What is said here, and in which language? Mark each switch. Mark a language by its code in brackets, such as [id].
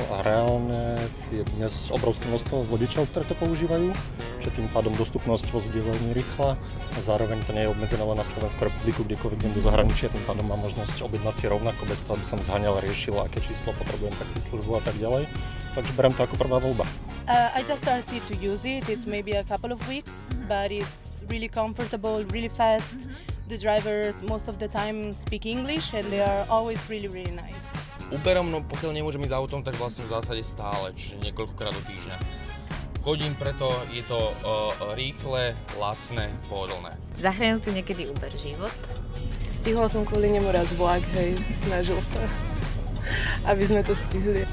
[sk] Reálne je dnes obrovské množstvo vodičov, ktoré to používajú, čo tým pádom dostupnosť vozidiel je veľmi rýchla. A zároveň to nie je obmedzené len na Slovensku republiku, kdekoľvek idem do zahraničia, tým pádom mám možnosť objednať si rovnako bez toho, aby som zhaňal, riešil, aké číslo potrebujem, taxi službu a tak ďalej. Takže berem to ako prvá voľba. [en] I just started to use it, it's maybe a couple of weeks, but it's really comfortable, really fast. The drivers most of the time speak English and they are always really, really nice. [sk] Uberom, no pokiaľ nemôžem ísť autom, tak vlastne v zásade stále, čiže niekoľkokrát do týždňa. Chodím preto, je to rýchle, lacné, pohodlné. Zachránil tu niekedy Uber život? Stihol som kvôli nemu raz vlak, hej, snažil sa, aby sme to stihli.